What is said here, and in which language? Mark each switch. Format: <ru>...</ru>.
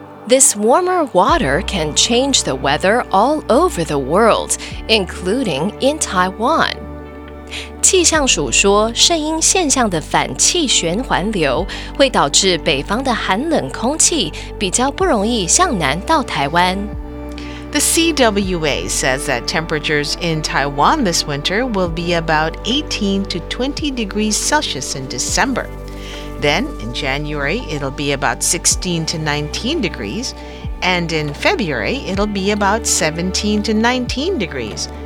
<en>This warmer water can change the weather all over the world, including in Taiwan.</en> <zh>氣象署說，聖嬰現象的反氣旋環流會導致北方的寒冷空氣比較不容易向南到台灣。</zh> <en>The CWA says that temperatures in Taiwan this winter will be about 18 to 20 degrees Celsius in December. Then, in January, it'll be about 16 to 19 degrees. And in February, it'll be about 17 to 19 degrees.</en>